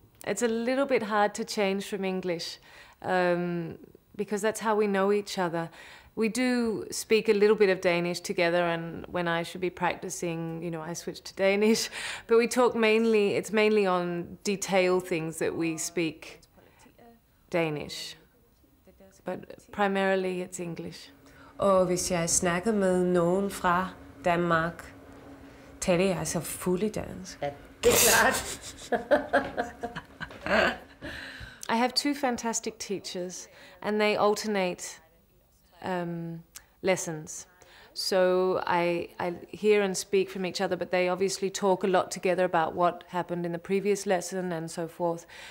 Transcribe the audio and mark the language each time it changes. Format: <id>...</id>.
<en>It's a little bit hard to change from English because that's how we know each other. We do speak a little bit of Danish together, and when I should be practicing, you know, I switch to Danish. But we talk mainly, it's mainly on detail things that we speak Danish. But primarily it's English.</en> <da>Og hvis jeg snakker med nogen fra Danmark, taler jeg altså fuld i dansk. Ja, det er klart.</da> <en>I have two fantastic teachers, and they alternate lessons. So I hear and speak from each other, but they obviously talk a lot together about what happened in the previous lesson and so forth.</en>